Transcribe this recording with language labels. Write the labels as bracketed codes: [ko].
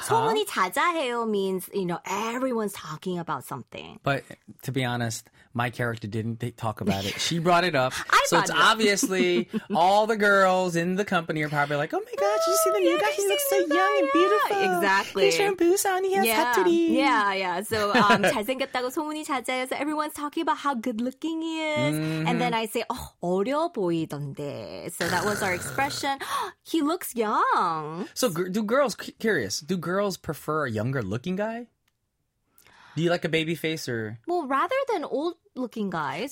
[ko] 소문이 자자해요 [en] means, you know, everyone's talking about something. But to be honest, my character didn't talk about it. She brought it up. So it's obviously all the girls in the company are probably like, oh my gosh, did you see the new guy? He looks so young and beautiful. Exactly. He's from Busan. He has hattori. Yeah, yeah. [ko] So, 잘생겼다고 소문이 자자해요. [en] So everyone's talking about how good looking he is. Mm-hmm. And then I say, oh, [ko] 어려 보이던데. [en] So that was our expression. He looks young. So do girls prefer a younger looking guy? Do you like a baby face or? Well, rather than old looking guys,